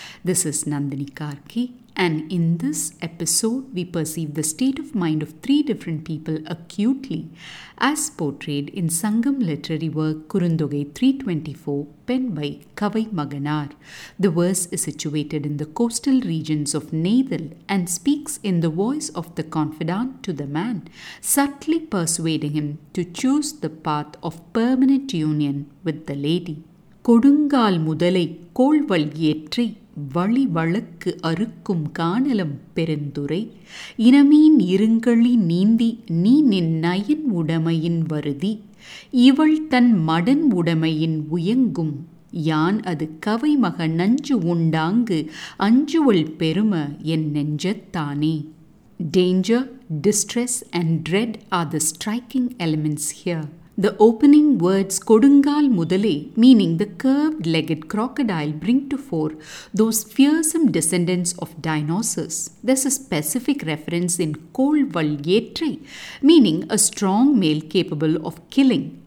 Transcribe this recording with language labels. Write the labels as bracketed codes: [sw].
[en] This is Nandini Karki, and in this episode we perceive the state of mind of three different people acutely as portrayed in Sangam literary work Kurundogai 324 penned by Kavai Maganar. The verse is situated in the coastal regions of Nethal and speaks in the voice of the confidant to the man, subtly persuading him to choose the path of permanent union with the lady. [ta] Kodungal முதலை கோள்வல் ஏற்றி வழி வழக்கு அறுக்கும் காணலம் பெருந்துரை இனமீன் இருங்களி நீந்தி நீ நின் nine உடமையின் வருதி இவள் தன் மடன் உடமையின் உயங்கும் யான் அது கவை மக நஞ்சு உண்டாங்கு அஞ்சுவள் பெரும என் நெஞ்சத்தானே. [en] Danger, distress and dread are the striking elements here. The opening words Kodungal Mudale, meaning the curved-legged crocodile, bring to fore those fearsome descendants of dinosaurs. There's a specific reference in Kolval Yetri, meaning a strong male capable of killing.